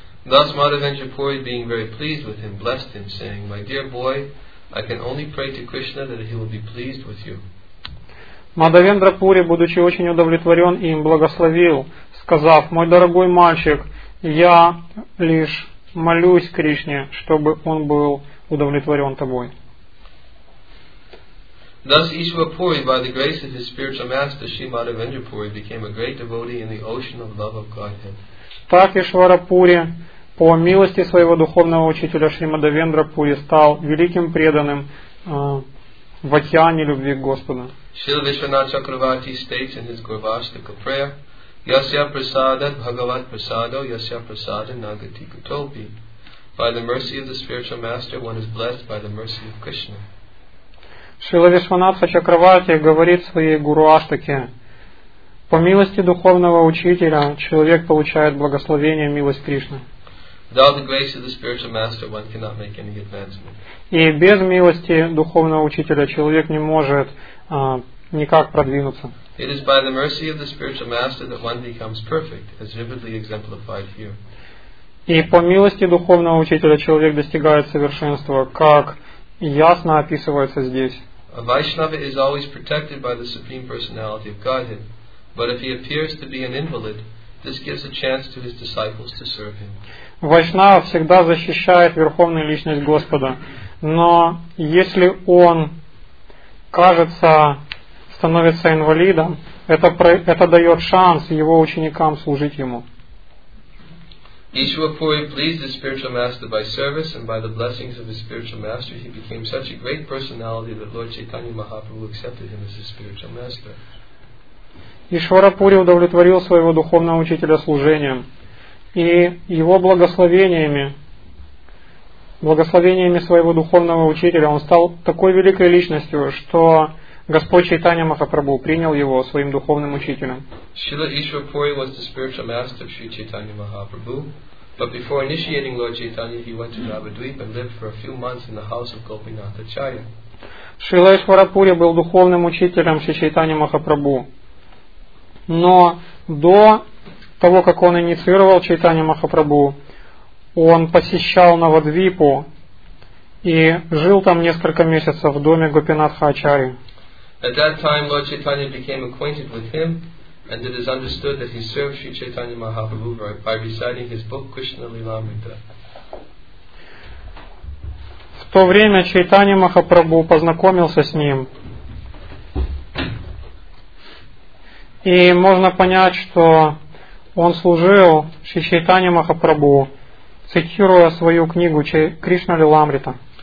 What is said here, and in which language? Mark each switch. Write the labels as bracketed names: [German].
[English] Thus Madhavendra Puri, being very pleased with him, blessed him, saying, My dear boy, I can only pray to Krishna that he will be pleased with you. [Russian] Madhavendra Puri, будучи очень удовлетворен, им благословил, сказав, Мой дорогой мальчик, я лишь молюсь Кришне, чтобы он был удовлетворен тобой. [English] Thus Ishwarpuri, by the grace of his spiritual master, Shri Madhavendra Puri, became a great devotee in the ocean of love of Godhead. [Russian] Так Ишварапури, по милости своего духовного учителя Шри Мадхавендра Пури, стал великим преданным в океане любви к Господу. [Sanskrit] Шрила Вишванатха Чакраварти [English] states in his Гурвастика prayer, [Sanskrit] Yasya prasada bhagavat prasado, yasya prasada nagati kutopi. [English] By the mercy of the spiritual master, one is blessed by the mercy of Krishna. [Russian] Шрила Вишванатха Чакраварти говорит в своей Гурвастике, По милости духовного учителя человек получает благословение милость Кришны. [English] Without the grace of the spiritual master, one cannot make any advancement. [Russian] И без милости духовного учителя человек не может никак продвинуться. [English] It is by the mercy of the spiritual master that one becomes perfect, as vividly exemplified here. [Russian] И по милости духовного учителя человек достигает совершенства, как ясно описывается здесь. [English] A Vaishnava is always protected by the supreme personality of Godhead. But if he appears to be an invalid, this gives a chance to his disciples to serve him. [Russian] Вайшнава всегда защищает верховную личность Господа, Но если он кажется, становится инвалидом, это дает шанс его ученикам служить ему. [English] Ишва Пури pleased his spiritual master by service, and by the blessings of his spiritual master, he became such a great personality that Lord Chaitanya Mahaprabhu accepted him as his spiritual master. [Russian] Ишвара Пури удовлетворил своего духовного учителя служением, и его благословениями своего духовного учителя, он стал такой великой личностью, что Господь Чайтанья Махапрабху принял его своим духовным учителем. [English] Шрила Ишва Пури was the spiritual master of Sri Chaitanya Mahaprabhu, but before initiating Lord Chaitanya, he went to Navadvipa and lived for a few months in the house of Gopinath Acharya. [Russian] Шрила Ишвара Пури был духовным учителем Шри Чайтанья Махапрабху, но до того, как он инициировал Чайтанья Махапрабху, он посещал Навадвипу и жил там несколько месяцев в доме Гопинатха Ачарьи. [English] At that time, Lord Chaitanya became acquainted with him, and it is understood that he served Sri Chaitanya Mahaprabhu by reciting his book Krishna Lilamrita. [Russian] В то время Чайтанья Махапрабху познакомился с ним, и можно понять, что он служил Шри Чайтанья Махапрабху, цитируя свою книгу Кришна Лиламрита.